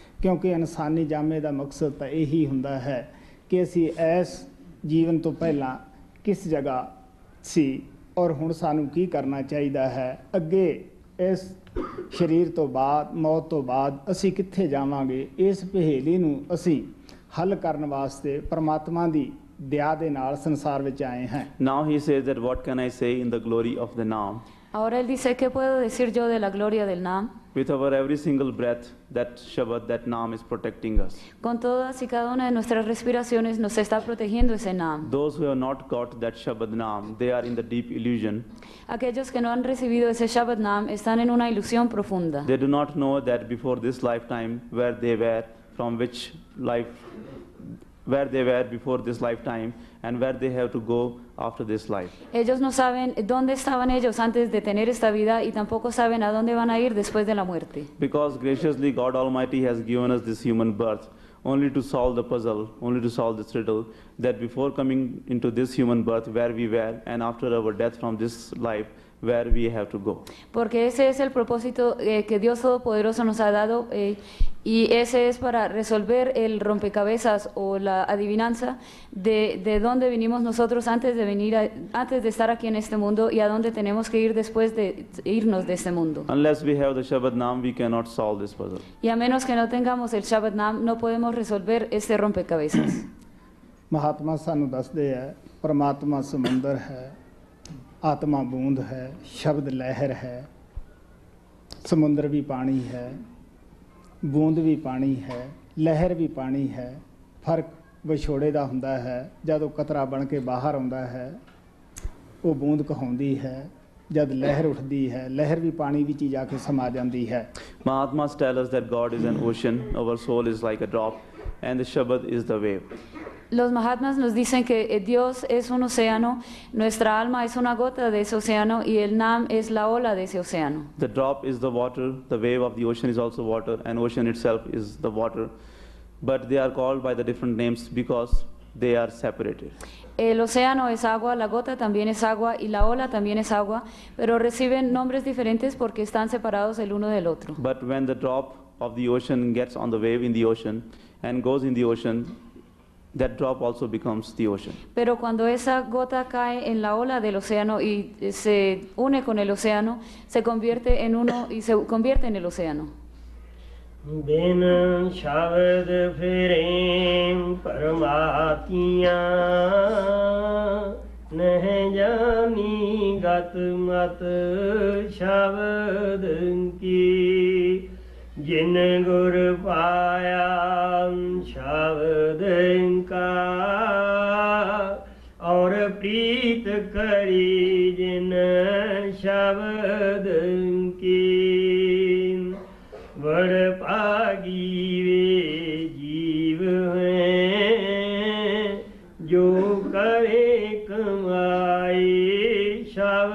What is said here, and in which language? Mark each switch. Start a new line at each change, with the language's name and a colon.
Punjabi: ਕਿਉਂਕਿ ਇਨਸਾਨੀ ਜਾਮੇ ਦਾ ਮਕਸਦ ਤਾਂ ਇਹੀ ਹੁੰਦਾ ਹੈ ਕਿ ਅਸੀਂ ਇਸ ਜੀਵਨ ਤੋਂ ਪਹਿਲਾਂ ਕਿਸ ਜਗ੍ਹਾ ਸੀ ਔਰ ਹੁਣ ਸਾਨੂੰ ਕੀ ਕਰਨਾ ਚਾਹੀਦਾ ਹੈ, ਅੱਗੇ ਇਸ ਸਰੀਰ ਤੋਂ ਬਾਅਦ ਮੌਤ ਤੋਂ ਬਾਅਦ ਅਸੀਂ ਕਿੱਥੇ ਜਾਵਾਂਗੇ। ਇਸ ਪਹੇਲੀ ਨੂੰ ਅਸੀਂ ਹੱਲ ਕਰਨ ਵਾਸਤੇ ਪਰਮਾਤਮਾ ਦੀ ਦਇਆ ਦੇ ਨਾਲ ਸੰਸਾਰ ਵਿੱਚ ਆਏ ਹਾਂ।
English: Now he says that what can I say in the glory of the Naam?
Spanish: Ahora él dice que puedo decir yo de la gloria del Naam.
English: With our every single breath, that Shabad, that Naam is protecting us.
Spanish: Con todas y cada una de nuestras respiraciones nos está protegiendo ese Naam.
English: Those who have not got that Shabad Naam, they are in the deep illusion.
Spanish: Aquellos que no han recibido ese Shabad Naam están en una ilusión profunda.
English: They do not know that before this lifetime where they were, from which life, where they were before this lifetime and where they have to go after this life.
Spanish: Ellos no saben dónde estaban ellos antes de tener esta vida y tampoco saben a dónde van a ir después de la muerte.
English: Because graciously God Almighty has given us this human birth only to solve the puzzle, only to solve this riddle, that before coming into this human birth where we were and after our death from this life where we have to go.
Spanish: Porque ese es el propósito que Dios Todopoderoso nos ha dado y ese es para resolver el rompecabezas o la adivinanza de dónde vinimos nosotros antes de estar aquí en este mundo y a dónde tenemos que ir después de irnos de este mundo.
English: Unless we have the Shabad Naam, we cannot solve this puzzle.
Spanish: Y a menos que no tengamos el Shabad Naam, no podemos resolver este rompecabezas.
Punjabi: Mahatma sanu dasde hai, Paramatma samundar hai, ਆਤਮਾ ਬੂੰਦ ਹੈ, ਸ਼ਬਦ ਲਹਿਰ ਹੈ, ਸਮੁੰਦਰ ਵੀ ਪਾਣੀ ਹੈ, ਬੂੰਦ ਵੀ ਪਾਣੀ ਹੈ, ਲਹਿਰ ਵੀ ਪਾਣੀ ਹੈ। ਫਰਕ ਵਿਛੋੜੇ ਦਾ ਹੁੰਦਾ ਹੈ, ਜਦ ਉਹ ਕਤਰਾ ਬਣ ਕੇ ਬਾਹਰ ਆਉਂਦਾ ਹੈ ਉਹ ਬੂੰਦ ਕਹਾਉਂਦੀ ਹੈ, ਜਦ ਲਹਿਰ ਉੱਠਦੀ ਹੈ ਲਹਿਰ ਵੀ ਪਾਣੀ ਵਿੱਚ ਹੀ ਜਾ ਕੇ ਸਮਾ ਜਾਂਦੀ ਹੈ।
English: Mahatma tell us that God is an ocean, our soul is like a drop and the shabad is the wave.
Spanish: Los Mahatmas nos dicen que Dios es un océano, nuestra alma es una gota de ese océano y el Naam es la ola de ese océano.
English: The drop is the water, the wave of the ocean is also water and ocean itself is the water, but they are called by the different names because they are separated.
Spanish: El océano es agua, la gota también es agua y la ola también es agua, pero reciben nombres diferentes porque están separados el uno del otro.
English: But when the drop of the ocean gets on the wave in the ocean and goes in the ocean, that drop also becomes the ocean.
Spanish: Pero cuando esa gota cae en la ola del océano y se une con el océano, se convierte en uno y se convierte en el océano.
Punjabi: Bin shabad phire parmatmiya nah jani gat mat shabad ki ਜਿਨ ਗੁਰ ਪਾਇਆ ਸ਼ਬਦ ਕਾ ਔਰ ਪ੍ਰੀਤ ਕਰੀ ਜਿਨ ਸ਼ਬਦ ਕੀ ਬੜ ਭਾਗੀ ਵੇ ਜੀਵ ਹੈ ਜੋ ਕਰੇ ਕਮਾਈ ਸ਼